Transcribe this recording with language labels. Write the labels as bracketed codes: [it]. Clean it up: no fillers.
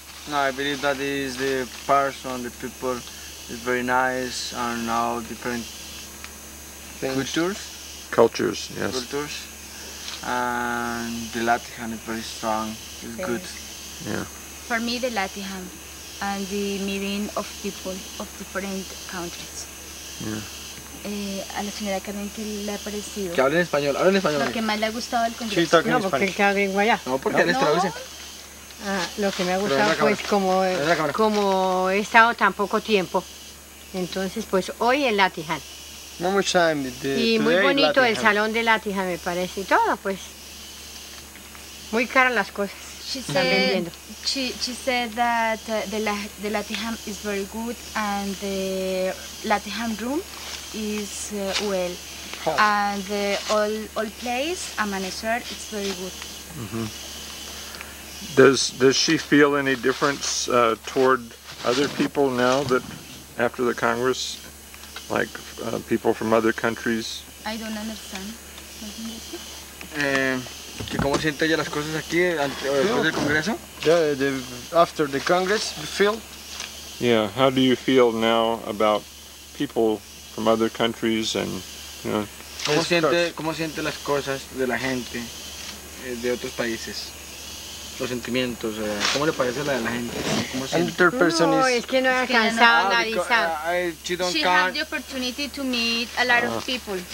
[en] No, I believe that is the person, the people, is very nice, and now different things. Cultures, yes. Cultures, and the latihan is very strong, it's very good. Yeah. For me, the latihan, and the meeting of people of different countries. Yeah. [es] A la señora Carmen, ¿qué le ha parecido? Que hable en español, hable en español. Lo que más le ha gustado al Congreso. [en] She's talking [es] no, porque que hable en guayá. No, porque les traduce. Lo que me ha gustado fue pues, como he estado tan poco tiempo, Entonces, pues hoy el latihan. [en] One more time. [es] Y muy bonito el salón de latihan, me parece, y todo, pues. Muy caras las cosas. [en] She said that the latihan is very good and the latihan room is well. Oh. And the old place, Amanecer, it's very good. Mm-hmm. Does she feel any difference toward other people now that after the Congress, like people from other countries? I don't understand. [es] ¿Que cómo siente ella las cosas aquí después del Congreso? [en] Yeah, the, after the Congress, you feel? Yeah, how do you feel now about people from other countries and, you know? [es] ¿Cómo siente las cosas de la gente de otros países? Los sentimientos, ¿cómo le parece la de la gente? ¿Cómo siente? No, es que no he alcanzado nada. [en] She had the opportunity to meet a lot of people.